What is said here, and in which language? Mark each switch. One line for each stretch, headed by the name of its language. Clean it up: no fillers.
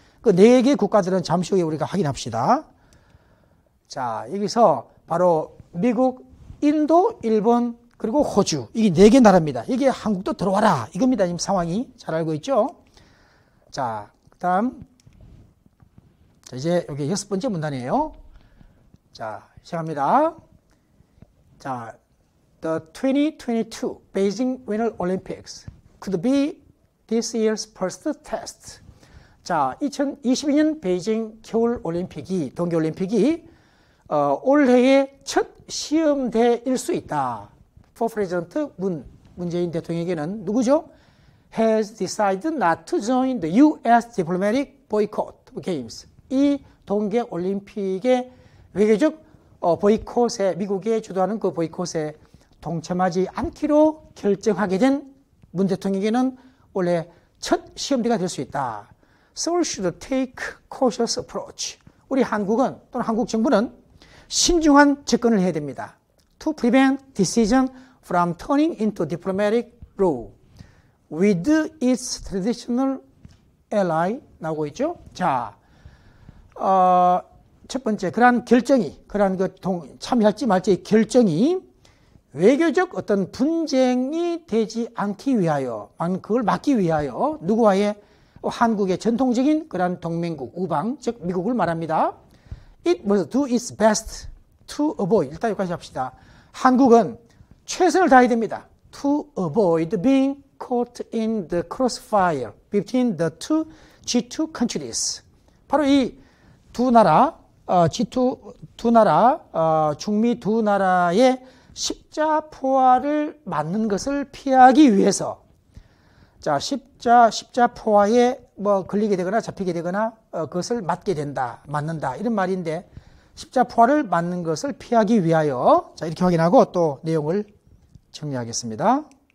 Korean: 그 네 개 국가들은 잠시 후에 우리가 확인합시다. 자, 여기서 바로 미국, 인도, 일본 그리고 호주. 이게 네 개 나라입니다. 이게 한국도 들어와라. 이겁니다. 지금 상황이. 잘 알고 있죠? 자, 그 다음. 자, 이제 여기 여섯 번째 문단이에요. 자, 시작합니다.
English: 자, The 2022 Beijing Winter Olympics could be this year's first test.
Korean: 자, 2022년 베이징 겨울 올림픽이, 동계 올림픽이, 올해의 첫 시험대일 수 있다.
English: For President
Korean: 문재인 대통령에게는 누구죠?
English: Has decided not to join the U.S. diplomatic boycott games.
Korean: 이 동계 올림픽의 외교적 보이콧에 미국이 주도하는 그 보이콧에 동참하지 않기로 결정하게 된 문 대통령에게는 올해 첫 시험대가 될 수 있다.
English: Seoul should take cautious approach.
Korean: 우리 한국은 또는 한국 정부는 신중한 접근을 해야 됩니다.
English: To prevent decision from turning into diplomatic row with its traditional ally
Korean: 나오고 있죠. 자, 첫 번째, 그러한 결정이, 그러한 그 참여할지 말지 결정이 외교적 어떤 분쟁이 되지 않기 위하여, 그걸 막기 위하여 누구와의 한국의 전통적인 그러한 동맹국, 우방, 즉 미국을 말합니다.
English: It must do its best to avoid.
Korean: 일단 여기까지 합시다. 한국은 최선을 다해야 됩니다.
English: To avoid being caught in the crossfire between the two G2 countries.
Korean: 바로 이 두 나라, G2 두 나라, 중미 두 나라의 십자포화를 맞는 것을 피하기 위해서. 자, 십자포화에 뭐 걸리게 되거나 잡히게 되거나 그것을 맞게 된다, 맞는다 이런 말인데 십자포화를 맞는 것을 피하기 위하여 자 이렇게 확인하고 또 내용을 정리하겠습니다.